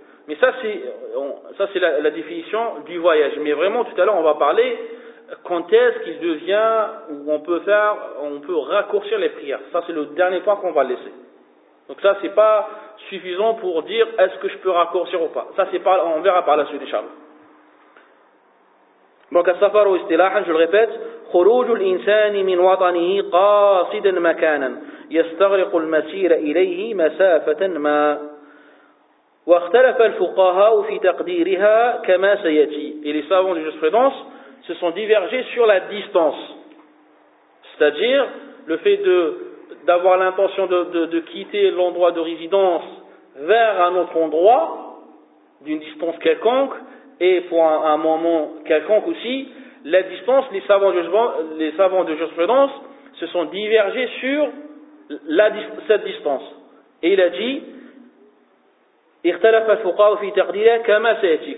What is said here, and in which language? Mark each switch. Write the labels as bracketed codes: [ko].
[fr] Mais ça c'est la définition du voyage. Mais vraiment tout à l'heure on va parler quand est-ce qu'il devient, ou on peut raccourcir les prières. Ça, c'est le dernier point qu'on va laisser. Donc ça, c'est pas suffisant pour dire est-ce que je peux raccourcir ou pas. Ça, c'est pas, on verra par la suite, Inch'Allah. Donc, [ar] as-safaru istilahan, [fr] je le répète, [ar] خروج الإنسان من وطنه قاصدا مكانا يستغرق المسير إليه مسافة ما واختلف الفقهاء في تقديرها كما سيأتي. [fr] Et les savants de jurisprudence se sont divergés sur la distance. C'est-à-dire, le fait de, d'avoir l'intention de quitter l'endroit de résidence vers un autre endroit, d'une distance quelconque, et pour un moment quelconque aussi, la distance, les savants de jurisprudence se sont divergés sur cette distance. Et il a dit, [ar] اختلف الفقهاء في تقديرها كما سيأتي.